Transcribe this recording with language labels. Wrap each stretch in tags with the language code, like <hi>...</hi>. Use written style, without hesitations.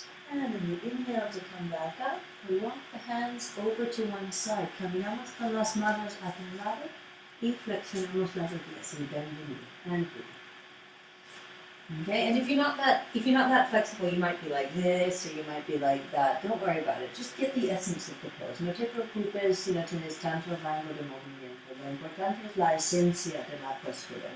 <en>And then we inhale to come back up. We walk the hands over to one side.</en> <es>Caminamos con las manos hacia un lado y flexionamos las rodillas.</es> <en>And bend the knee. And breathe. Okay. And if you're not that flexible, you might be like this or you might be like that. Don't worry about it. Just get the essence of the pose.</en> <es>No te preocupes si no tienes tanto rango de movimiento. Lo importante es la esencia de la postura.</es>